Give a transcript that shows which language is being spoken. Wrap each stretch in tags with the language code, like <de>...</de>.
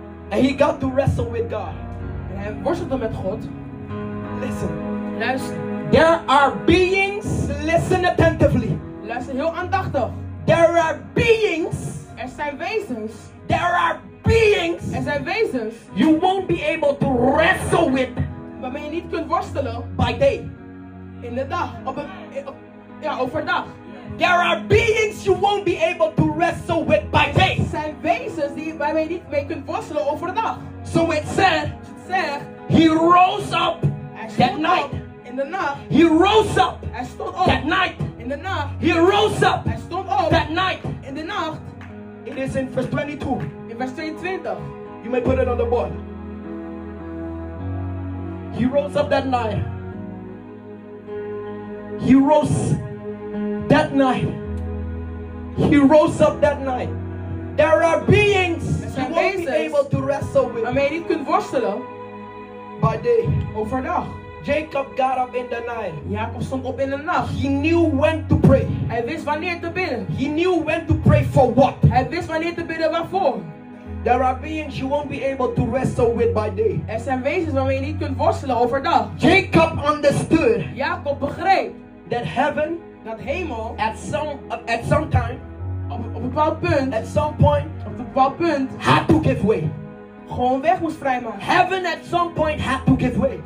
<en>And he got to wrestle with God.</en> <nl>En hij worstelde met God.</nl> <en>Listen.</en> <nl>Luister.</nl> <en>There are beings. Listen attentively.</en> <nl>Luister heel aandachtig.</nl> <en>There are beings.</en> <nl>Er zijn wezens.</nl> <en>There are beings.</en> <nl>Er zijn wezens.</nl> <en>You won't be able to wrestle with.</en> <nl>Waarmee je niet kunt worstelen.</nl> <en>By day.</en> <nl>In de dag. Overdag.</nl> <en>There are beings you won't be able to wrestle with by day.</en> <nl>Er zijn wezens die waarmee je niet mee kunt worstelen overdag.</nl> <en>So it said.</en> <nl>Het zegt.</nl> <en>He rose up. That night.</en> <nl>In de nacht.</nl> <en>He rose up.</en> <nl>Hij stond op.</nl> <en>That night. In the night, he rose up.</en> <nl>Hij stond op</nl> <en>that night. In the night. It is in verse 22. In verse 22. You may put it on the board. He rose up that night. He rose that night. He rose up that night. There are beings you won't be able to wrestle with.</en> <nl>Amerika kunt worstelen.</nl> <en>By day.</en> <nl>Overdag.</nl> <en>Jacob got up in the night.</en> <nl>Jacob stond op in de nacht.</nl> <en>He knew when to pray.</en> <nl>Hij wist wanneer te bidden.</nl> <en>He knew when to pray for what.</en> <nl>Hij wist wanneer te bidden waarvoor.</nl> <en>There are beings you won't be able to wrestle with by day.</en> <nl>Er zijn wezens waarmee je niet kunt worstelen overdag.</nl> <en>Jacob understood.</en> <nl>Jacob begreep.</nl> <en>That heaven.</en> <nl>Dat hemel.</nl> <en>At some time.</en> <nl>Op een bepaald punt.</nl> <en>At some point.</en> <nl>Op een bepaald punt.</nl> <en>Had to give way.</en> <nl>Gewoon weg moest vrijmaken.</nl> <en>Heaven at some point had to give way.</en>